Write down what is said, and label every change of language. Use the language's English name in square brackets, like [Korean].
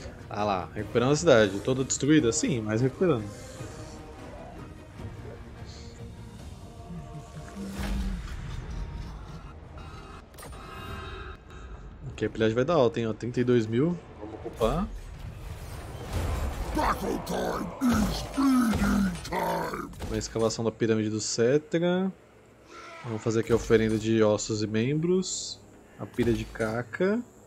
[Portuguese] Ah lá, recuperando a cidade. Toda destruída? Sim, mas recuperando. Aqui a pilhagem vai dar alta, hein? 32 mil. Vamos ocupar. [English] Battle time is feeding time. [Portuguese] A escavação da pirâmide do Cetra. Vamos fazer aqui a oferenda de ossos e membros. A pilha de caca.